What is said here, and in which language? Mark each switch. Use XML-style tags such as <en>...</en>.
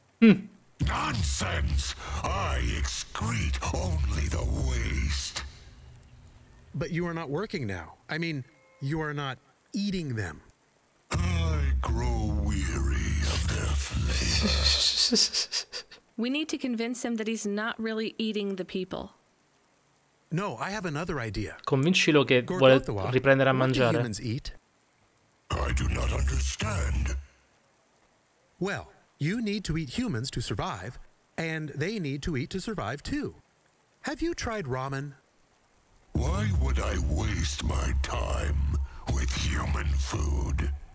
<en>Nonsense! I excrete only the waste. But you are not working now. I mean, you are not eating them. I grow weary of their flavor. We need to convince him that he's not really eating the people. No, I have another idea.</en> <it>Convincilo che vuole riprendere a mangiare.</it> <en>What do humans eat? I do not understand. Well, you need to eat humans to survive, and they need to eat to survive too. Have you tried ramen? Why would I waste my time with human food?</en>